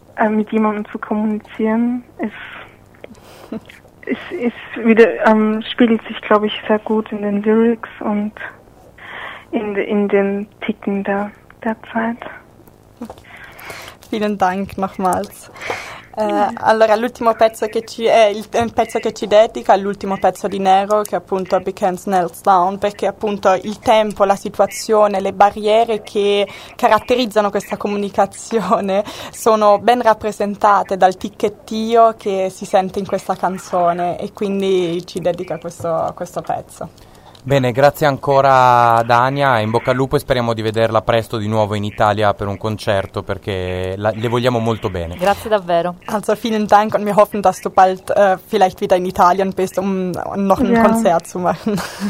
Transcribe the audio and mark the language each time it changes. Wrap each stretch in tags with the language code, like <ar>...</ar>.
<de>mit jemandem zu kommunizieren, ist wieder spiegelt sich, glaube ich, sehr gut in den Lyrics und in den Ticken der Zeit. Vielen Dank nochmals.</de> <it>Allora l'ultimo pezzo che ci è il pezzo che ci dedica è l'ultimo pezzo di Nero, che è appunto Beacon's Nails Down, perché appunto il tempo, la situazione, le barriere che caratterizzano questa comunicazione sono ben rappresentate dal ticchettio che si sente in questa canzone e quindi ci dedica questo pezzo. Bene, grazie ancora Dania, in bocca al lupo e speriamo di vederla presto di nuovo in Italia per un concerto, perché le vogliamo molto bene. Grazie davvero.</it> <de>Also vielen Dank und wir hoffen, dass du bald vielleicht wieder in Italien bist, um noch ein Konzert zu machen.</de>